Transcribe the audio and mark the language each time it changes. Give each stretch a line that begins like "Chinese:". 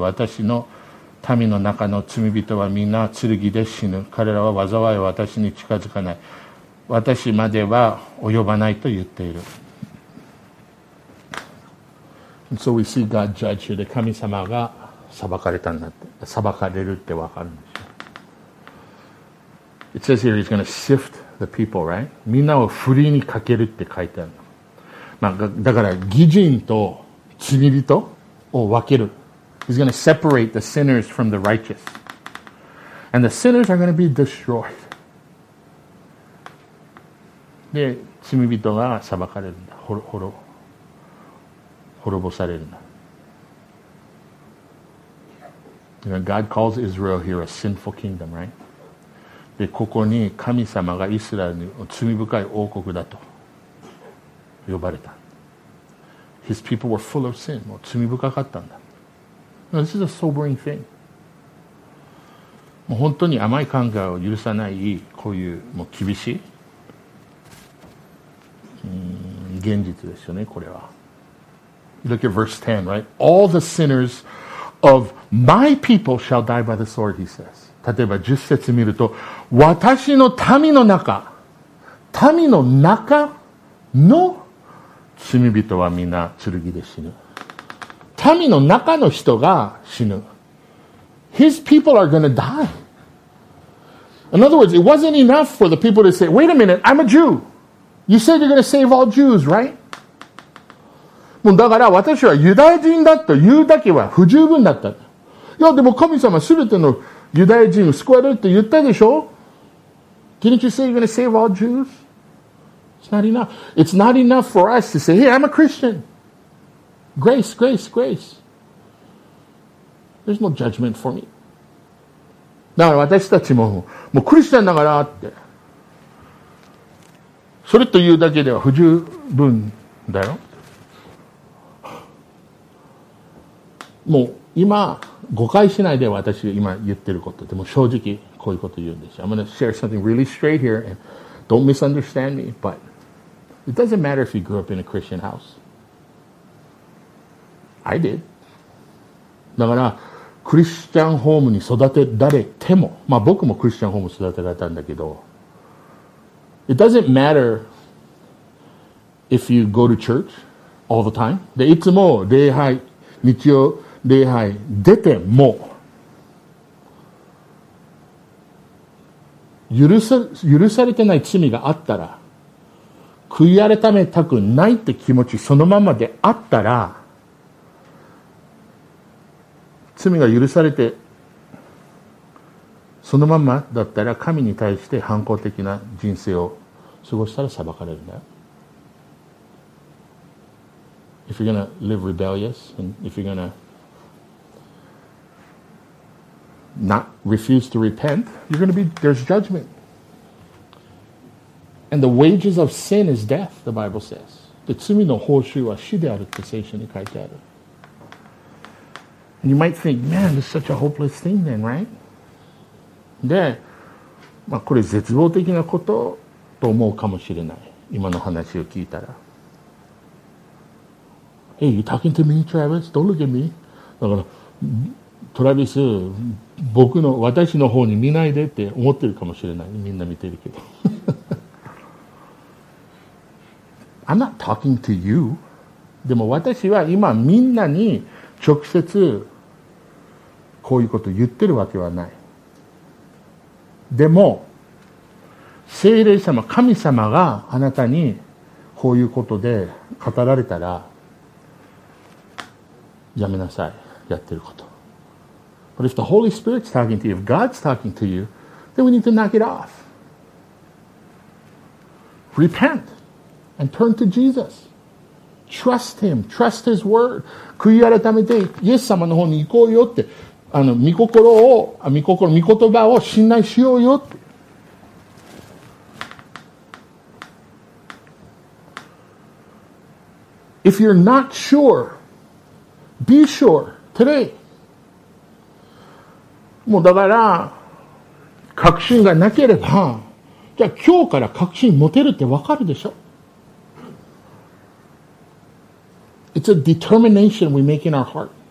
Japanese: 私の民の中の罪人はみんな剣で死ぬ。彼らは災いを私に近づかない、私までは及ばないと言っている。
English: And so we see God judge here.
Japanese: 神様が裁かれたんだって、裁かれるって分かるんでしょ。
English: It says here he's going to sift the people, right?
Japanese: みんなをふりにかけるって書いてあるの、まあ、だから義人と罪人を分ける。
English: He's going to separate the sinners from the righteous. And the sinners are going to be destroyed.
Japanese: で罪人が裁かれるんだ、滅ぼされるんだ。
English: You know, God calls Israel here a sinful kingdom, right?
Japanese: でここに神様がイスラエルに罪深い王国だと呼ばれた。
English: His people were full of sin. もう
Japanese: 罪深かったんだ。
English: Now, this is a sobering thing.
Japanese: もう本当に甘い考えを許さない、こういうもう厳しい現実ですよね、これは。
English: Look at verse 10, right? All the sinners of my people shall die by the sword, he says.
Japanese: 例えば10節見ると、私の民の中、民の中の罪人はみんな剣で死ぬ。民の中の人が死ぬ。
English: His people are going to die. In other words, it wasn't enough for the people to say, wait a minute, I'm a Jew. You said you're going to save all Jews, right?
Japanese: もうだから私はユダヤ人だと言うだけは不十分だった。いやでも神様すべてのユダヤ人を救われるって言ったでしょ?
English: Didn't you say you're going to save all Jews? It's not enough. It's not enough for us to say, hey, I'm a Christian. Grace, grace, grace. There's no judgment for me.
Japanese: だから私たちももうクリスチャンだからって。それというだけでは不十分だよ。もう今誤解しないで私が今言ってることでも正直こういうこと言うんですよ。
English: I'm going to share something really straight here and don't misunderstand me, but it doesn't matter if you grew up in a Christian house. I did.
Japanese: だからクリスチャンホームに育てられても、まあ僕もクリスチャンホームに育てられたんだけど、
English: It doesn't matter if you go to church all the time.
Japanese: で、いつも礼拝、日曜礼拝出ても、許されてない罪があったら、悔い改めたくないって気持ちそのままであったら、罪が許されてそのままだったら、神に対して反抗的な人生を過ごしたら裁かれるんだよ。
English: If you're gonna live rebellious and if you're gonna not refuse to repent, you're gonna be there's judgment. And the wages of sin is death, the Bible says.
Japanese: で、罪の報酬は死であるって聖書に書いてある。
English: And you might think, man, this is such a hopeless thing then, right?
Japanese: で、まあこれ絶望的なこと。と思うかもしれない。今の話を聞いたら。
English: Hey, you talking to me, Travis? Don't look at me.
Japanese: だから、トラビス、僕の、私の方に見ないでって思ってるかもしれない。みんな見てるけど。
English: I'm not talking to you.
Japanese: でも私は今みんなに直接こういうこと言ってるわけはない。でも、聖霊様、神様があなたにこういうことで語られたら、やめなさい、やってること。
English: But if the Holy Spirit's talking to you, if God's talking to you, then we need to knock it off. Repent and turn to Jesus. Trust Him, trust His Word.
Japanese: 悔い改めて、イエス様の方に行こうよって、御言葉を信頼しようよって。
English: If you're not sure, be sure today.
Japanese: もうだから、確信がなければ、じゃあ今日から確信持てるってわかるでしょ?
English: It's a determination we make in our heart.